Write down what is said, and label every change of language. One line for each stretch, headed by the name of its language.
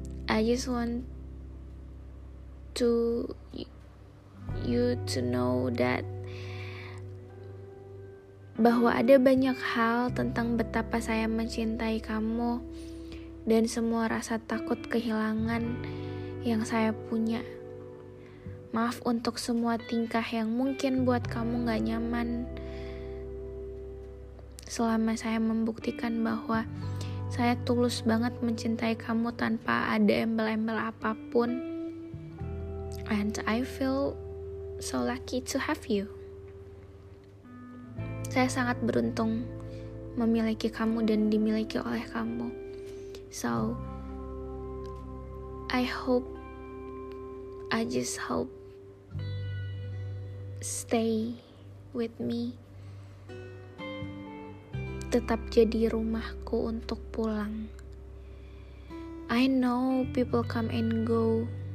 English: I just want to you to know that
Indonesian: bahwa ada banyak hal tentang betapa saya mencintai kamu dan semua rasa takut kehilangan yang saya punya. Maaf untuk semua tingkah yang mungkin buat kamu gak nyaman selama saya membuktikan bahwa saya tulus banget mencintai kamu tanpa ada embel-embel apapun.
English: And I feel so lucky to have you.
Indonesian: Saya sangat beruntung memiliki kamu dan dimiliki oleh kamu.
English: So, I just hope stay with me.
Indonesian: Tetap jadi rumahku untuk pulang.
English: I know people come and go.